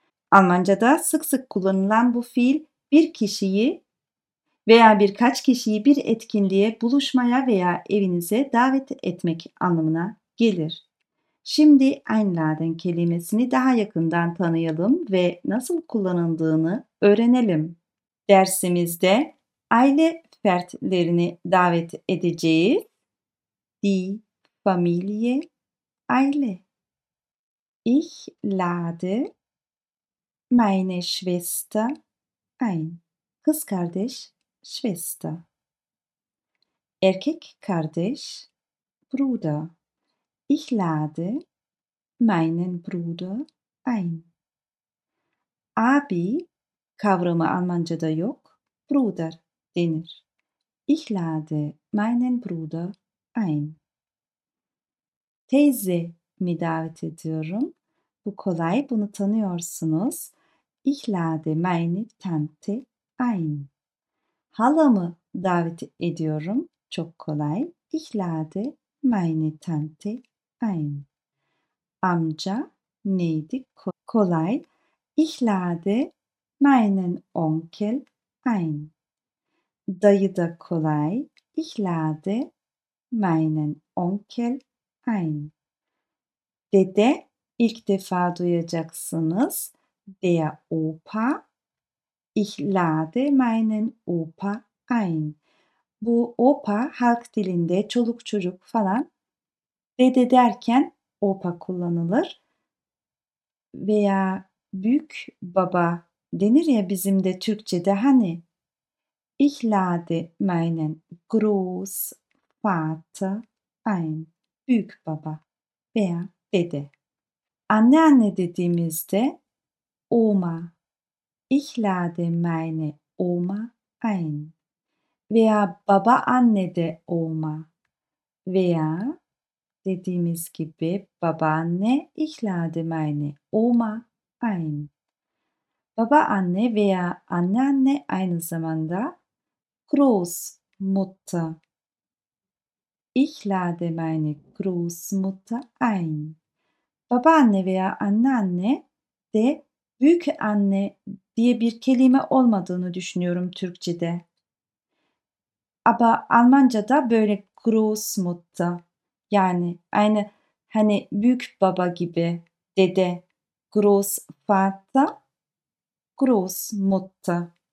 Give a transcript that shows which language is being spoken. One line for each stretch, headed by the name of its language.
Turkish: Almanca'da sık sık kullanılan bu fiil bir kişiyi veya birkaç kişiyi bir etkinliğe, buluşmaya veya evinize davet etmek anlamına gelir. Şimdi einladen kelimesini daha yakından tanıyalım ve nasıl kullanıldığını öğrenelim. Dersimizde aile fertlerini davet edeceğiz.
German: Die Familie, aile. Ich lade meine Schwester ein.
Turkish: Kız kardeş, Schwester. Erkek kardeş, Bruder.
German: Ich lade meinen Bruder ein.
Turkish: Abi kavramı Almanca'da yok. Bruder denir.
German: Ich lade meinen Bruder ein.
Turkish: Teyze mi davet ediyorum? Bu kolay, bunu tanıyorsunuz.
German: Ich lade meine Tante ein.
Turkish: Halamı davet ediyorum. Çok kolay.
German: Ich lade meine Tante ein.
Turkish: Amca neydi? Kolay.
German: Ich lade meinen Onkel ein.
Turkish: Dayı da kolay.
German: Ich lade meinen Onkel ein.
Turkish: Dede ilk defa duyacaksınız.
German: Der Opa, ich lade meinen Opa ein.
Turkish: Bu Opa halk dilinde çoluk çocuk falan, dede derken Opa kullanılır. Veya büyük baba denir ya bizim de Türkçe'de, hani.
German: Ich lade meinen Großvater ein.
Turkish: Büyük baba veya dede. Anneanne dediğimizde Oma.
German: Ich lade meine Oma ein.
Turkish: Veya baba anne de Oma. Veya dediğimiz gibi babaanne.
German: Ich lade meine Oma ein.
Turkish: Baba anne veya anneanne aynı zamanda Großmutter.
German: Ich lade meine Großmutter ein.
Turkish: Babaanne veya anneanne de büyük anne diye bir kelime olmadığını düşünüyorum Türkçe'de. Ama Almanca'da böyle Großmutter, yani aynı hani büyük baba gibi dede, Großvater, Großmutter.